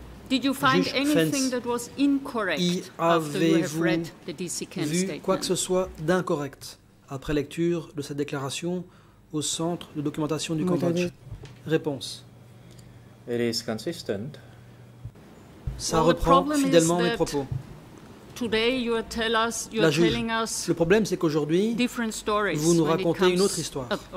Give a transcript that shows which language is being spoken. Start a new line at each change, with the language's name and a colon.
English: Did you find anything that was incorrect after you have read the DC Ken statement?
French: Vu quoi que ce soit d'incorrect après lecture de cette déclaration au centre de documentation du Cambodge? Réponse.
English: It is consistent.
French: Ça reprend fidèlement mes propos.
English: Today you tell us, you are telling us
French: le problème, c'est qu'aujourd'hui, vous nous racontez une autre histoire.